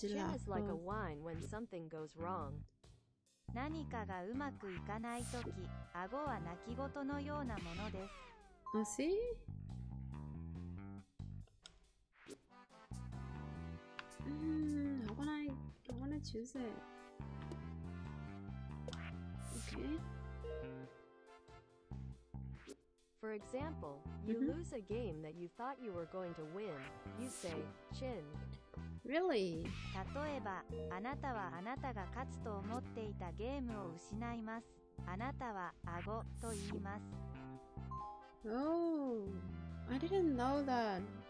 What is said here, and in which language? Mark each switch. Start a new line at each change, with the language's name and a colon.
English: chin is like a wine when something goes wrong.
Japanese: 何かがうまくいかないとき、顎は泣き言のようなものです。
English: あ、see? I wanna choose it. Okay. For example, you、mm-hmm. lose a game that you thought you were going to win. You say, chin. Really?
Japanese: 例えば、あなたはあなたが勝つと思っていたゲームを失います。あなたは、顎と言います。
English: Oh, I didn't know that.